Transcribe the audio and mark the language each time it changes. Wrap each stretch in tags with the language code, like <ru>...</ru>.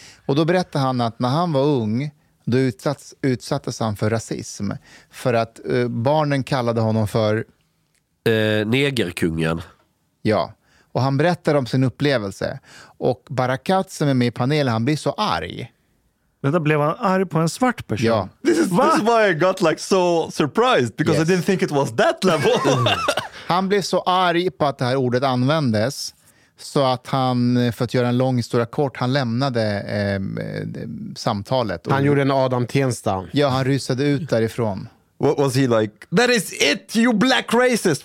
<sv>Och då berättar han att när han var ung, då utsattes han för rasism. För att barnen kallade honom för negerkungen. Ja. Och han berättar om sin upplevelse. Och Barakat som är med i panelen, han blir så arg. Men då blev han arg på en svart person. Ja.</sv> <en>This is why I got like so surprised, because yes. I didn't think it was that level.</en> <sv>Han blev så arg på att det här ordet användes, så att han, för att göra en lång historia kort, han lämnade samtalet. Han gjorde en Adam Tensta. Ja, han rusade ut därifrån.</sv> <en>What was he like? That is it, you black racist.</en>